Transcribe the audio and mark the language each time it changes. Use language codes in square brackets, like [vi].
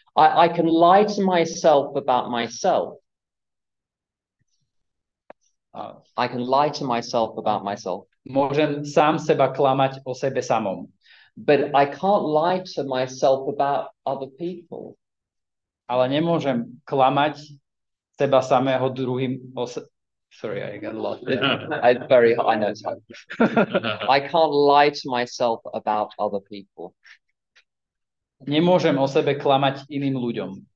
[en] I can lie to myself about myself. I can lie to myself about myself. [sk] Môžem sám seba klamať o sebe samom. [en] But I can't lie to myself about other people. [sk] Ale nemôžem klamať seba samého druhým. [en] Sorry, I got lost. I know. I can't lie to myself about other people. [sk] Nemôžem o sebe klamať iným ľuďom.